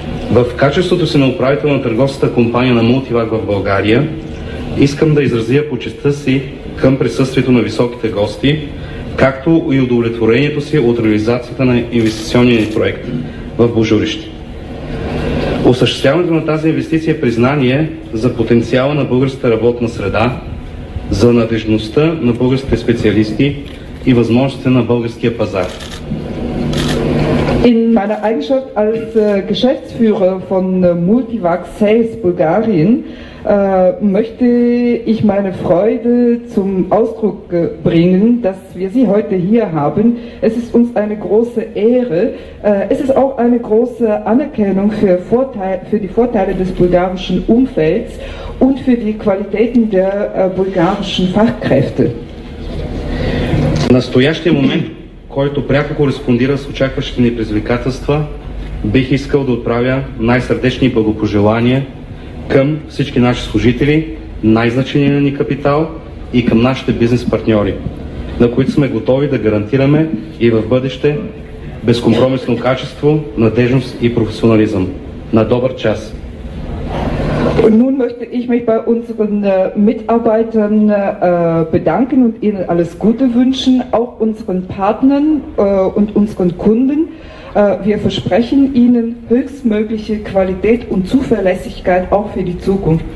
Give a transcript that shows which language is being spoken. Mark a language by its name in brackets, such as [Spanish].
[Bulgarian] В качеството си на управител на търговската компания на Multivac в България, искам да изразя почестта си към присъствието на високите гости, както и удовлетворението си от реализацията на инвестиционния ни проект в Божурище. Осъществяването на тази инвестиция е признание за потенциала на българската работна среда, за надежността на българските специалисти и възможностите на българския пазар. [German] In meiner Eigenschaft als Geschäftsführer von Multivac Sales Bulgarien möchte ich meine Freude zum Ausdruck bringen, dass wir Sie heute hier haben. Es ist uns eine große Ehre. Es ist auch eine große Anerkennung für die Vorteile des bulgarischen Umfelds und für die Qualitäten der bulgarischen Fachkräfte. [Bulgarian] Настоящий момент, който пряко кореспондира с очакващите ни предизвикателства, бих искал да отправя най-сърдечни благопожелания към всички наши служители, най-значения ни капитал и към нашите бизнес партньори, на които сме готови да гарантираме и в бъдеще безкомпромисно качество, надежност и професионализъм. На добър час! [German] Nun möchte ich mich bei unseren Mitarbeitern bedanken und ihnen alles Gute wünschen, auch unseren Partnern und unseren Kunden. Wir versprechen ihnen höchstmögliche Qualität und Zuverlässigkeit auch für die Zukunft.